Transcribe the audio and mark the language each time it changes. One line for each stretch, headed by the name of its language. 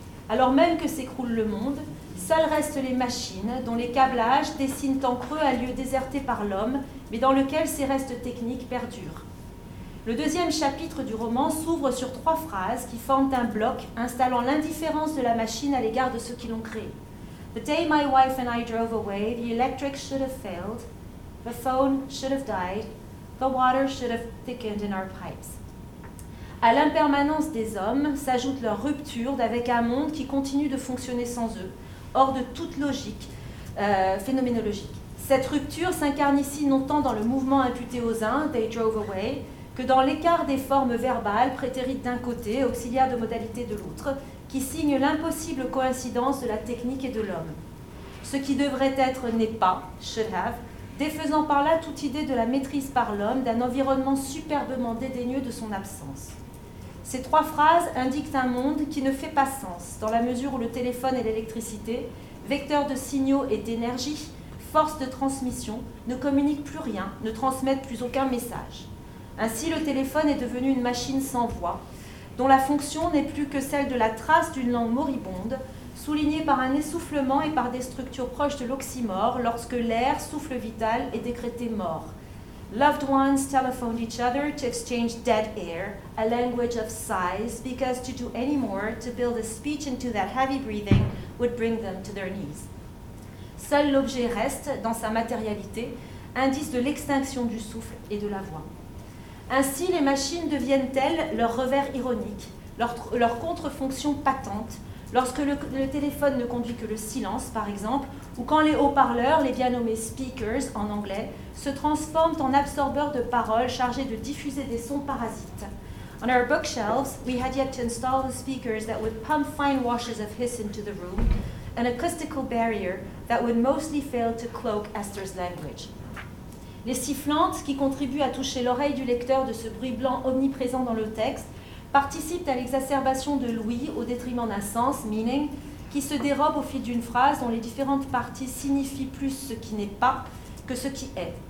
French: Alors même que s'écroule le monde, seuls restent les machines, dont les câblages dessinent en creux un lieu déserté par l'homme, mais dans lequel ces restes techniques perdurent. Le deuxième chapitre du roman s'ouvre sur trois phrases qui forment un bloc installant l'indifférence de la machine à l'égard de ceux qui l'ont créée.
English: The day my wife and I drove away, the electric should have failed, the phone should have died, the water should have thickened in our pipes.
French: À l'impermanence des hommes s'ajoute leur rupture avec un monde qui continue de fonctionner sans eux, hors de toute logique, phénoménologique. Cette rupture s'incarne ici non tant dans le mouvement imputé aux uns, «
English: they drove away
French: », que dans l'écart des formes verbales, prétérites d'un côté, auxiliaires de modalité de l'autre, qui signe l'impossible coïncidence de la technique et de l'homme. Ce qui devrait être n'est pas,
English: should have,
French: défaisant par là toute idée de la maîtrise par l'homme d'un environnement superbement dédaigneux de son absence. Ces trois phrases indiquent un monde qui ne fait pas sens, dans la mesure où le téléphone et l'électricité, vecteurs de signaux et d'énergie, forces de transmission, ne communiquent plus rien, ne transmettent plus aucun message. Ainsi, le téléphone est devenu une machine sans voix, dont la fonction n'est plus que celle de la trace d'une langue moribonde, soulignée par un essoufflement et par des structures proches de l'oxymore lorsque l'air, souffle vital, est décrété mort.
English: Loved ones telephoned each other to exchange dead air, a language of sighs, because to do any more, to build a speech into that heavy breathing, would bring them to their knees.
French: Seul l'objet reste, dans sa matérialité, indice de l'extinction du souffle et de la voix. Ainsi, les machines deviennent-elles leur revers ironique, leur contre-fonction patente, lorsque le téléphone ne conduit que le silence, par exemple, ou quand les haut-parleurs, les bien nommés « speakers » en anglais, se transforment en absorbeurs de paroles chargés de diffuser des sons parasites.
English: On our bookshelves, we had yet to install the speakers that would pump fine washes of hiss into the room, an acoustical barrier that would mostly fail to cloak Esther's language.
French: Les sifflantes, qui contribuent à toucher l'oreille du lecteur de ce bruit blanc omniprésent dans le texte, participent à l'exacerbation de l'ouïe au détriment d'un sens, meaning, qui se dérobe au fil d'une phrase dont les différentes parties signifient plus ce qui n'est pas que ce qui est.